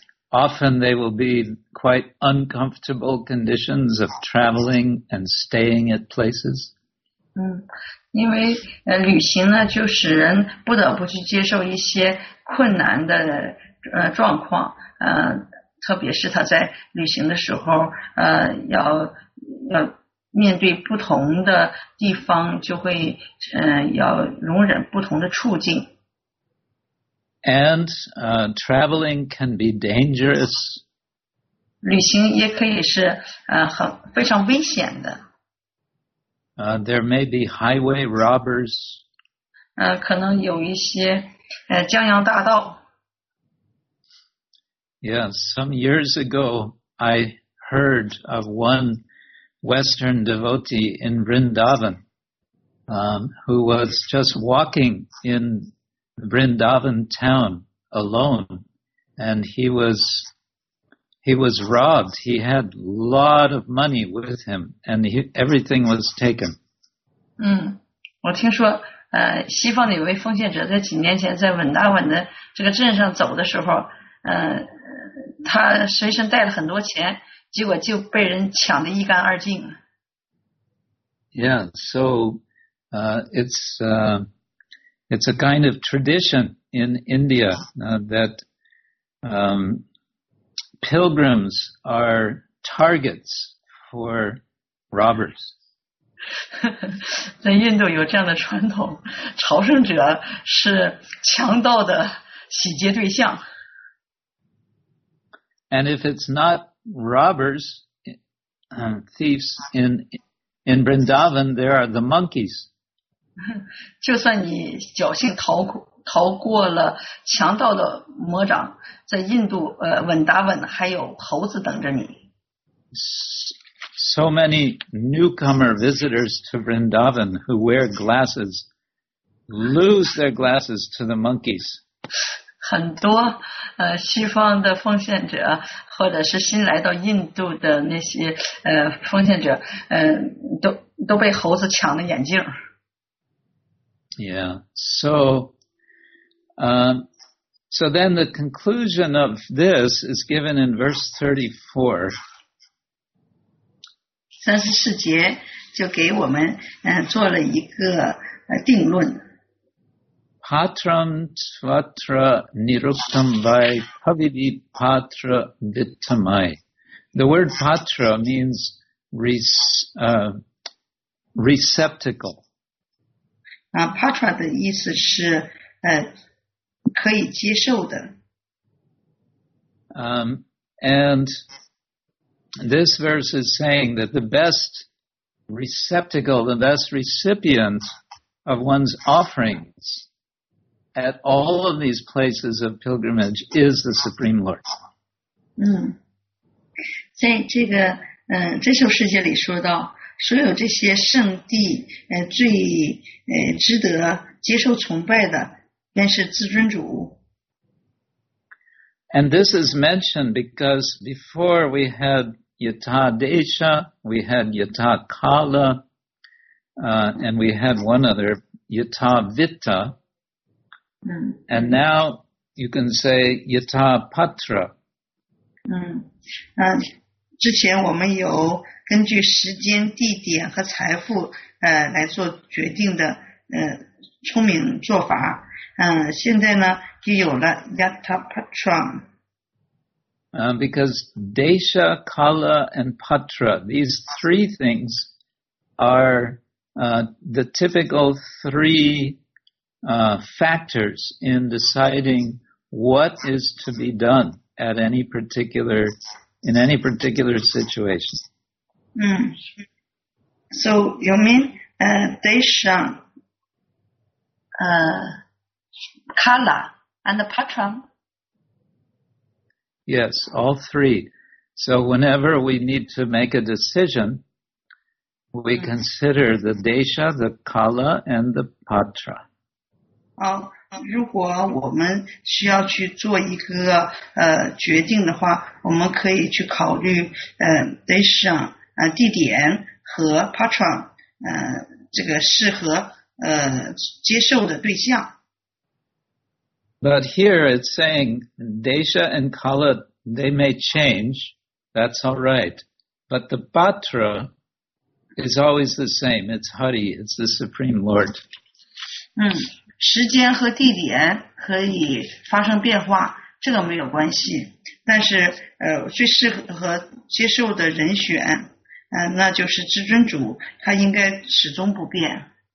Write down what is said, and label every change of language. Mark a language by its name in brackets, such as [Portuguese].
[English] Often they will be quite uncomfortable conditions of traveling and staying at places. [Chinese] 因为旅行呢，就使人不得不去接受一些困难的状况。特别是他在旅行的时候，要面对不同的地方，就会要容忍不同的处境。 [English] And traveling can be dangerous. [Chinese] 旅行也可以是非常危险的。 [English] There may be highway robbers. [Chinese] 可能有一些江洋大盗。 [English] Yeah, some years ago, I heard of one Western devotee in Vrindavan, who was just walking in Vrindavan town alone, and he was robbed. He had a lot of money with him, and everything was taken. [Chinese] 我听说西方的一位奉献者在几年前在文达文的这个镇上走的时候，他随身带了很多钱，结果就被人抢得一干二净。 [English] Yeah, so it's a kind of tradition in India that pilgrims are targets for robbers. [Chinese] 在印度有这样的传统，朝圣者是强盗的洗劫对象。 [English] And if it's not robbers, thieves in Vrindavan, there are the monkeys. [Chinese] 就算你侥幸逃过了强盗的魔掌，在印度文达文还有猴子等着你。 [English] So many newcomer visitors to Vrindavan who wear glasses lose their glasses to the monkeys. [Chinese] 很多西方的奉献者或者是新来到印度的那些奉献者都被猴子抢了眼镜。 [English] Yeah, so then the conclusion of this is given in verse 34. [Chinese] 34节就给我们做了一个定论。 [Sanskrit] Patram tvatra niruptam vai pavidi patra vittamai. [English] The word patra means receptacle. [Chinese] Patra 的意思是可以接受的。 [English] And this verse is saying that the best receptacle, the best recipient of one's offerings,at all of these places of pilgrimage is the Supreme Lord. [Chinese] 在这个这首诗节里说到，所有这些圣地最值得接受崇拜的便是至尊主。 [English] And this is mentioned because before we had Yata Desha, we had Yata Kala, and we had one other, Yata Vitta,And now you can say Yata Patra. [Chinese] 之前我们有根据时间、地点和财富来做决定的聪明做法。现在呢就有了 Yatapatram。 [English] Because Desha, Kala, and Patra, these three things are the typical three factors in deciding what is to be done at any particular, in any particular situation. So you mean Desha, Kala, and the Patra? Yes, all three. So whenever we need to make a decision, we consider the desha, the kala, and the patra. [Chinese] 如果我们需要去做一个决定的话，我们可以去考虑desha, 地点和 patra, 这个适合接受的对象。 [English] But here it's saying desha and kala, they may change, that's all right. But the patra is always the same. It's Hari, it's the Supreme Lord. [Chinese] 时间和地点可以发生变化，这个没有关系。但是最适合接受的人选那就是至尊主，他应该始终不变。